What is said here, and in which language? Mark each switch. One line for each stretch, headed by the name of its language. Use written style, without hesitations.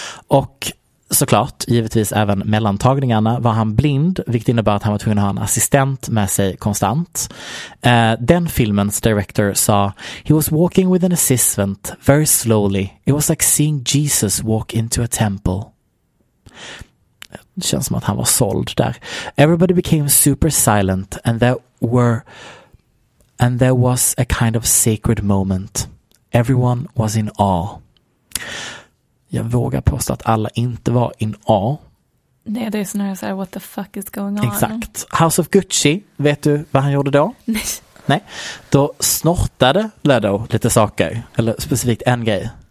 Swedish: Och såklart, givetvis även mellantagningarna, var han blind, vilket innebär att han var tvungen att ha en assistent med sig konstant. Den filmens director sa,
English: he was walking with an assistant, very slowly. It was like seeing Jesus walk into a temple.
Swedish: Det känns som att han var såld där.
English: Everybody became super silent and there was a kind of sacred moment. Everyone was in awe.
Swedish: Jag vågar påstå att alla inte var in A. Nej, det är snarare så här,
English: what the fuck is going on?
Swedish: Exakt. House of Gucci, vet du vad han gjorde då? Nej. Nej. Då snortade Leto lite saker, eller specifikt en grej.